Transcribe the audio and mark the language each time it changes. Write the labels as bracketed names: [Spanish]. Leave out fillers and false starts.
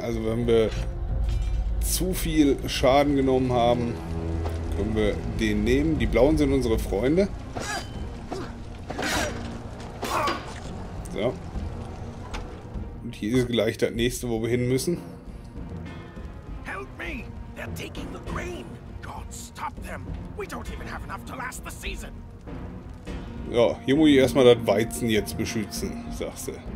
[German] Also wenn wir zu viel Schaden genommen haben, können wir den nehmen. Die Blauen sind unsere Freunde. So. Und hier ist gleich das nächste, wo wir hin müssen. [English] Help me! They're taking the green! Stop them! We don't even have enough to last the season! [German] Ja, hier muss ich erstmal das Weizen jetzt beschützen, sagst du.